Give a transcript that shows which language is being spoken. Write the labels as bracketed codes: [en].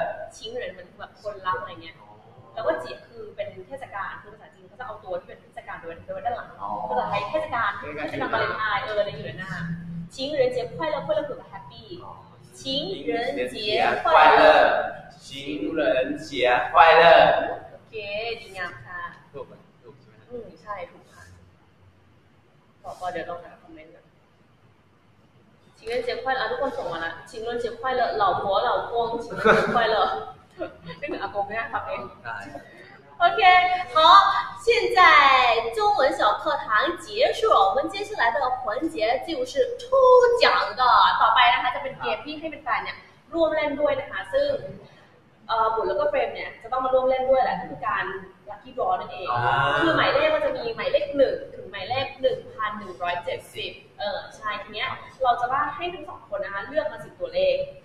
[th] 情人มันคือแบบคนรักอะไรเงี้ยแล้วก็节คือเป็นเทศกาลคือภาษาจีนเขาจะเอาตัวที่เป็นเทศกาลโดยด้านหลังก็จะใช้เทศกาลเทศกาลวาเลนไทน์อะไรอยู่หน้า [zh] 情人节快乐快乐 [th] คือแบบ happy [zh] 情人节快乐情人节快乐 [th] โอเคดีงามค่ะ ถูกไหมถูกใช่ไหม อืมใช่ถูกค่ะขอพอเดี๋ยวลองหาคอมเมนต์ [zh] 情人节快乐！啊，都快送完了。情人节快乐，老婆老公，情人节快乐。那个阿公跟他发的。 OK， 好，现在中文小课堂结束。我们接下来的环节就是抽奖的， [th] ต่อไปนะคะจะเป็นเกมที่ให้เป็นแฟนเนี่ยร่วมเล่นด้วยนะคะซึ่งบุญแล้วก็เฟรมเนี่ยจะต้องมาร่วมเล่นด้วยแหละคือการลัคกี้ดรอนั่นเองคือหมายเลขมันจะมีหมายเลข1ถึงหมายเลข1170ใช่ทีเนี้ยเราจะว่าให้ทั้ง2คนนะคะเลือกมา10ตัวเลข